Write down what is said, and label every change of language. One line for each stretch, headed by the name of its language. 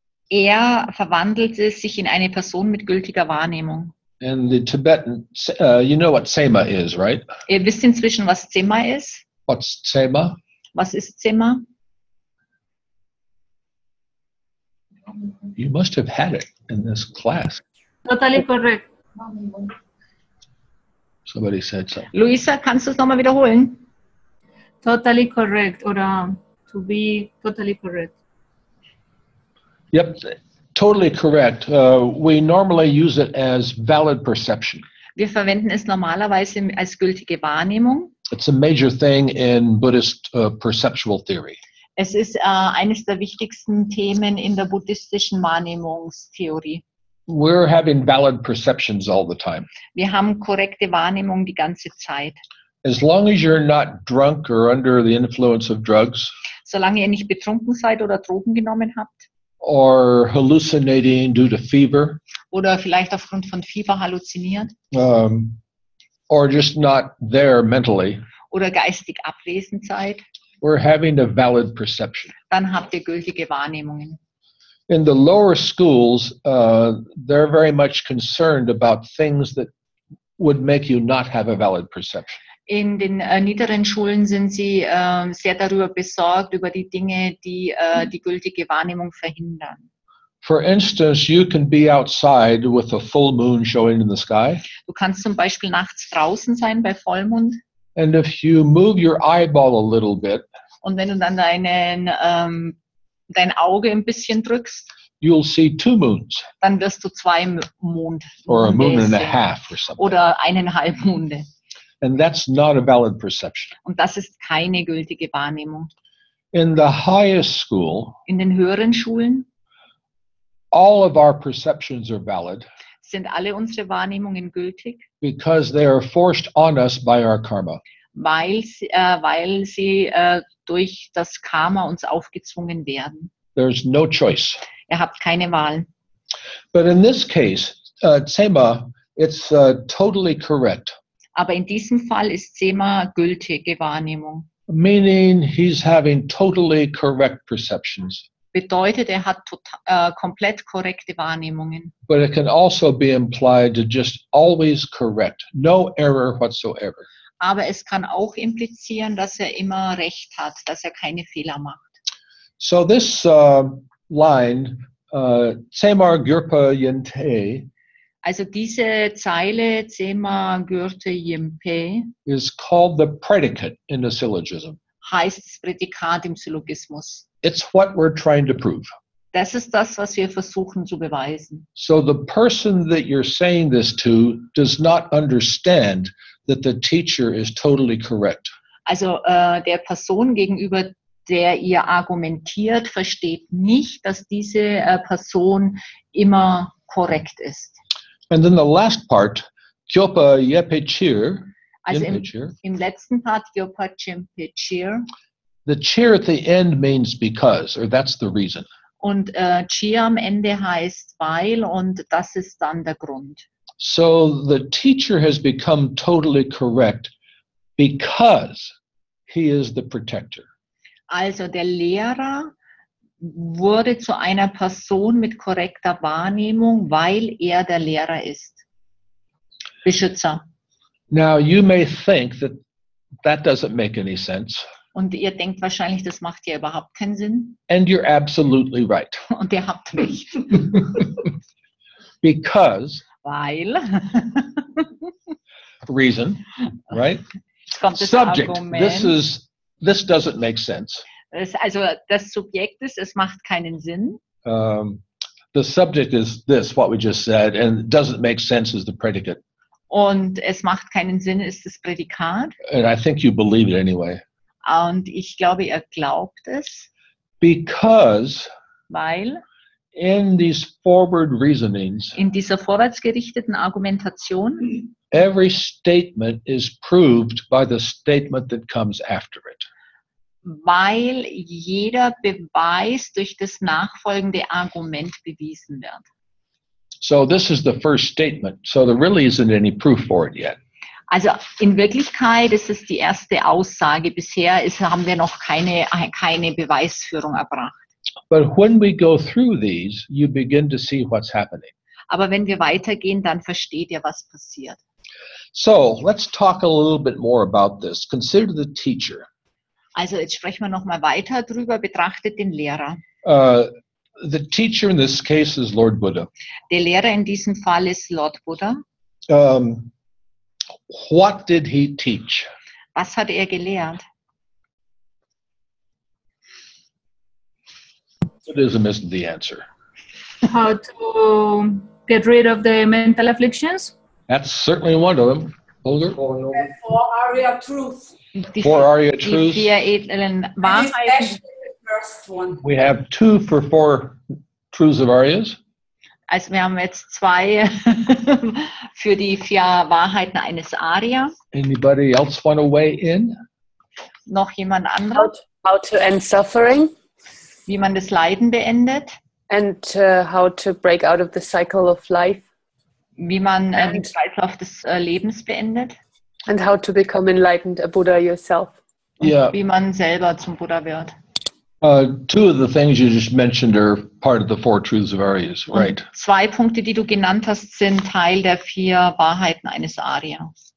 German: Er verwandelte sich in eine Person mit gültiger Wahrnehmung.
English: And the Tibetan, you know what Tsema is, right?
German: Ihr wisst inzwischen, was Tsema ist.
English: What's Tsema?
German: Was ist Tsema?
English: You must have had it in this class. Totally correct. Somebody said so.
German: Luisa, kannst du es nochmal wiederholen?
English: Totally correct,
German: oder
English: to be totally correct. Yep, totally correct. We normally use it as valid perception.
German: Wir verwenden es normalerweise als gültige Wahrnehmung.
English: It's a major thing in Buddhist perceptual theory.
German: Es ist eines der wichtigsten Themen in der buddhistischen Wahrnehmungstheorie.
English: We're having valid perceptions all the time.
German: Wir haben korrekte Wahrnehmung die ganze Zeit.
English: As long as you're not drunk or under the influence of drugs.
German: Solange ihr nicht betrunken seid oder Drogen genommen habt.
English: Or hallucinating due to fever.
German: Oder vielleicht aufgrund von Fieber halluziniert.
English: Or just not there mentally.
German: Oder geistig abwesend seid.
English: We're having a valid perception.
German: Dann habt ihr gültige Wahrnehmungen.
English: In the lower schools, they're very much concerned about things that would make you not have a valid perception.
German: In den niederen Schulen sind sie sehr darüber besorgt, über die Dinge, die die gültige Wahrnehmung verhindern.
English: For instance, you can be outside with a full moon showing in the sky.
German: Du kannst zum Beispiel nachts draußen sein bei Vollmond.
English: And if you move your eyeball a little bit,
German: und wenn du dann deinen, dein Auge ein bisschen drückst,
English: you'll see two moons.
German: Dann wirst du zwei Monde sehen.
English: Or a moon and a half or something.
German: Oder eineinhalb Monde.
English: And that's not a valid perception.
German: Und das ist keine gültige Wahrnehmung.
English: In the highest school,
German: in den höheren Schulen,
English: all of our perceptions are valid.
German: Sind alle unsere Wahrnehmungen gültig?
English: Because they are forced on us by our karma.
German: Weil sie durch das Karma uns aufgezwungen werden.
English: There's no choice.
German: Ihr habt keine Wahl.
English: But in this case, Tsema, it's totally correct.
German: Aber in diesem Fall ist Tsema gültige Wahrnehmung.
English: Meaning he's having totally correct perceptions.
German: Bedeutet, er hat komplett korrekte Wahrnehmungen.
English: But it can also be implied to just always correct, no error whatsoever.
German: Aber es kann auch implizieren, dass er immer recht hat, dass er keine Fehler macht.
English: So this line, Tsema Gyurpa Yente,
German: also diese Zeile, Tsema Gyurte Yimpe,
English: is called the predicate in the syllogism.
German: Heißt das Prädikat im Syllogismus.
English: It's what we're trying to prove.
German: Das ist das, was wir versuchen zu beweisen.
English: So the person that you're saying this to does not understand that the teacher is totally correct.
German: Also der Person gegenüber, der ihr argumentiert, versteht nicht, dass diese Person immer korrekt ist.
English: And then the last part, Gyopa Yepechir.
German: Also im letzten Part, Gyopa Yepechir.
English: The chair at the end means because, or that's the reason.
German: Und chair am Ende heißt weil, und das ist dann der Grund.
English: So the teacher has become totally correct because he is the protector.
German: Also der Lehrer wurde zu einer Person mit korrekter Wahrnehmung, weil er der Lehrer ist. Beschützer.
English: Now you may think that that doesn't make any sense.
German: Und ihr denkt wahrscheinlich, das macht ja überhaupt keinen Sinn.
English: And you're absolutely right.
German: Und ihr habt recht.
English: Because.
German: Weil.
English: Reason, right? Subject. This doesn't make sense.
German: Also das Subjekt ist, es macht keinen Sinn.
English: The subject is this, what we just said, and doesn't make sense is the predicate.
German: Und es macht keinen Sinn ist das Prädikat.
English: And I think you believe it anyway.
German: Und ich glaube, er glaubt es.
English: Because.
German: Weil.
English: In these forward reasonings.
German: In dieser vorwärtsgerichteten Argumentation.
English: Every statement is proved by the statement that comes after it.
German: Weil jeder Beweis durch das nachfolgende Argument bewiesen wird.
English: So this is the first statement. So there really isn't any proof for it yet.
German: Also in Wirklichkeit ist es die erste Aussage. Bisher haben wir noch keine Beweisführung erbracht.
English: But when we go through these, you begin to see what's happening.
German: Aber wenn wir weitergehen, dann versteht ihr, was passiert.
English: So let's talk a little bit more about this. Consider the teacher.
German: Also jetzt sprechen wir noch mal weiter drüber. Betrachtet den Lehrer.
English: The teacher in this case is Lord Buddha.
German: Der Lehrer in diesem Fall ist Lord Buddha.
English: What did he teach?
German: Was hat er gelehrt?
English: Buddhism isn't the answer. How to get rid of the mental afflictions? That's certainly one of them. Older? Four Arya truths.
German: Die vier edlen Wahrheiten.
English: We have two for four truths of Aryas.
German: Also wir haben jetzt zwei für die vier Wahrheiten eines Arya.
English: Anybody else want to weigh in?
German: Noch jemand anderes?
English: How to end suffering.
German: Wie man das Leiden beendet.
English: And how to break out of the cycle of life.
German: Wie man den Kreislauf des Lebens beendet.
English: And how to become enlightened, a Buddha yourself. Yeah.
German: Wie man selber zum Buddha wird.
English: Two of the things you just mentioned are part of the four truths of Aryas, right?
German: Und zwei Punkte, die du genannt hast, sind Teil der vier Wahrheiten eines Arya.